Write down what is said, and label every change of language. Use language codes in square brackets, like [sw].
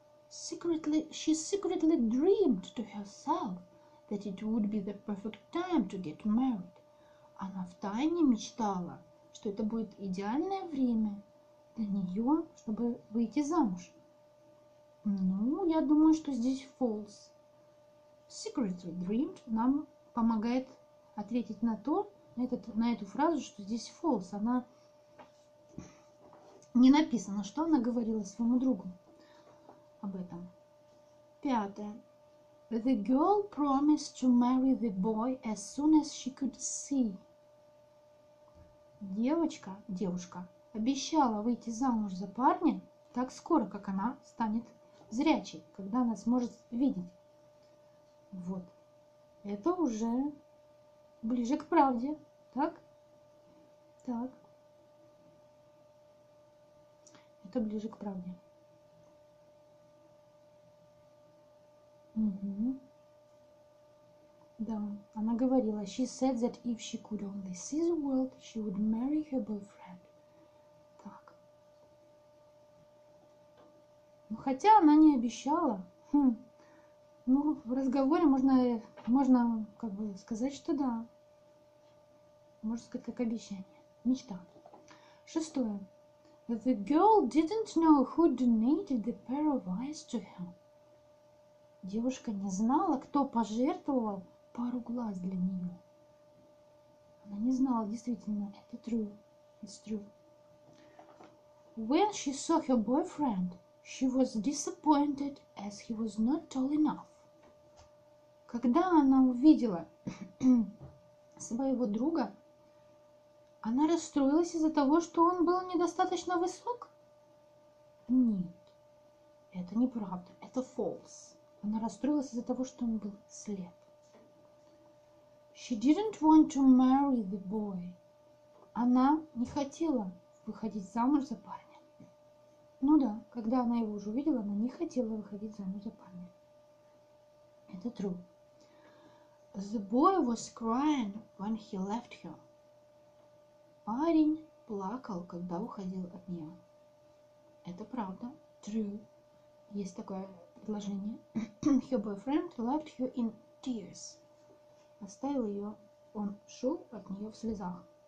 [en] She secretly dreamed to herself that it would be the perfect time to get married. [ru] Она втайне мечтала, что это будет идеальное время для нее, чтобы выйти замуж. Ну, я думаю, что здесь false. [en] Secretly dreamed [ru] нам помогает ответить на то, на эту фразу, что здесь false. Она не написана, что она говорила своему другу об этом. Пятое. [en] The girl promised to marry the boy as soon as she could see. [ru] Девушка обещала выйти замуж за парня так скоро, как она станет зрячей, когда она сможет видеть. Вот. Это уже ближе к правде, так? Так. Это ближе к правде. Угу. Да, она говорила, [en] she said that if she could only see the world, she would marry her boyfriend. [ru] Так. Ну, хотя она не обещала. Ну, в разговоре можно как бы сказать, что да. Можно сказать, как обещание. Мечта. Шестое. [en] The girl didn't know who donated the pair of eyes to her. [ru] Девушка не знала, кто пожертвовал пару глаз для нее. Она не знала, действительно, это true. [en] It's true. When she saw her boyfriend, she was disappointed as he was not tall enough. [ru] Когда она увидела своего друга, она расстроилась из-за того, что он был недостаточно высок? Нет, это неправда, это false. Она расстроилась из-за того, что он был слеп. [en] She didn't want to marry the boy. [ru] Она не хотела выходить замуж за парня. Ну да, когда она его уже увидела, она не хотела выходить замуж за парня. Это true. [en] The boy was crying when he left her. [ru] Парень плакал, когда уходил от нее. Это правда. True. Есть такое предложение. [en] Her boyfriend left her in tears. [ru] Оставил ее, он шел от нее в слезах.